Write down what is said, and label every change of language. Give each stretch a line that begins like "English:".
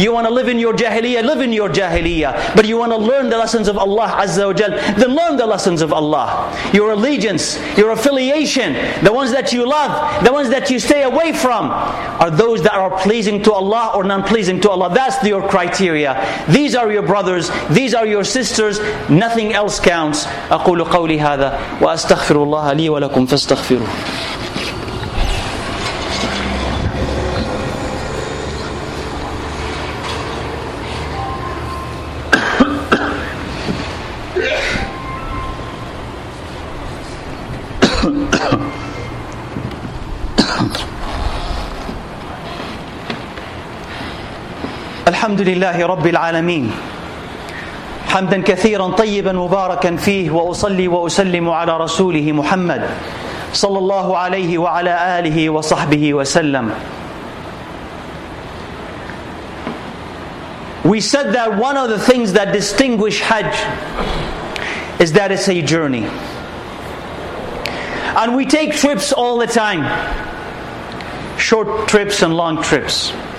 English: You want to live in your jahiliyyah? Live in your jahiliyyah. But you want to learn the lessons of Allah Azza wa Jal? Then learn the lessons of Allah. Your allegiance, your affiliation, the ones that you love, the ones that you stay away from, are those that are pleasing to Allah or non-pleasing to Allah? That's your criteria. These are your brothers. These are your sisters. Nothing else counts.
Arabic: أقول قولي هذا وأستغفر الله لي ولكم فاستغفروه. الحمد لله رب العالمين حمدا كثيرا طيبا مباركا فيه وأصلي وأسلم على رسوله محمد صلى الله عليه وعلى آله وصحبه وسلم.
English: We said that one of the things that distinguish Hajj is that it's a journey. And we take trips all the time, short trips and long trips.